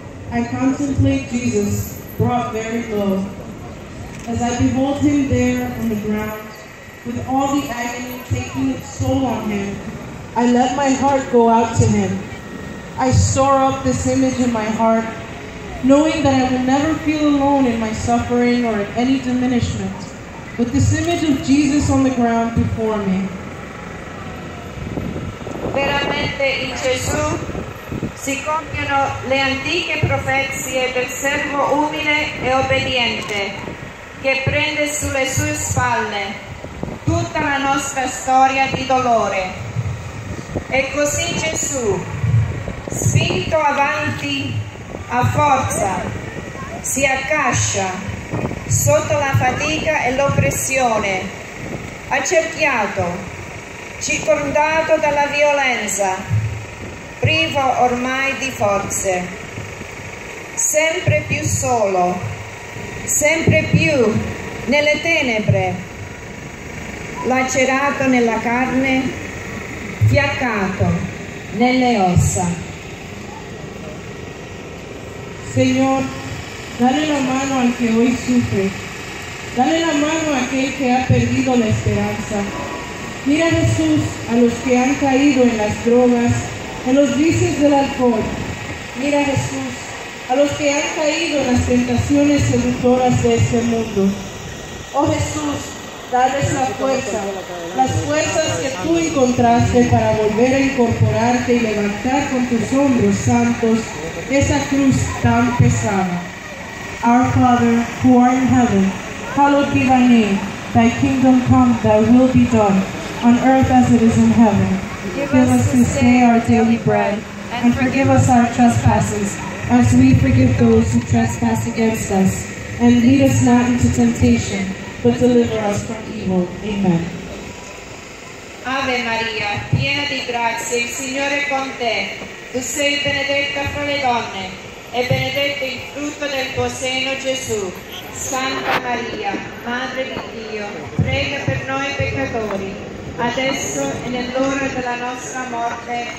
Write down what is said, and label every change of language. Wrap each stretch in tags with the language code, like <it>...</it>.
<en>I contemplate Jesus brought very low. As I behold him there on the ground, with all the agony taking its toll on him, I let my heart go out to him. I store up this image in my heart, knowing that I will never feel alone in my suffering or in any diminishment, with this image of Jesus on the ground before me.</en> <it>Veramente in Gesù si compiono le antiche profezie del servo umile e obbediente che prende sulle sue spalle tutta la nostra storia di dolore. E così Gesù, spinto avanti a forza, si accascia sotto la fatica e l'oppressione, accerchiato, circondato dalla violenza, privo ormai di forze, sempre più solo, sempre più nelle tenebre, lacerato nella carne, fiaccato nelle ossa.</it> <es>Señor, dale la mano al que hoy sufre. Dale la mano a aquel que ha perdido la esperanza. Mira, Jesús, a los que han caído en las drogas, en los vicios del alcohol. Mira, Jesús, a los que han caído en las tentaciones seductoras de este mundo. Oh, Jesús, dales la fuerza, las fuerzas que tú encontraste para volver a incorporarte y levantar con tus hombros santos esa cruz tan pesada.</es> <en>Our Father, who art in heaven, hallowed be thy name. Thy kingdom come, thy will be done, on earth as it is in heaven. Give us this day our daily bread, and forgive us our trespasses, as we forgive those who trespass against us. And lead us not into temptation, but deliver us from evil. Amen.</en> <it>Ave Maria, piena di grazie, il Signore è con te. Tu sei benedetta fra le donne, e benedetto il frutto del tuo seno, Gesù. Santa Maria, Madre di Dio, prega per noi peccatori, adesso e nell'ora della nostra morte.</it>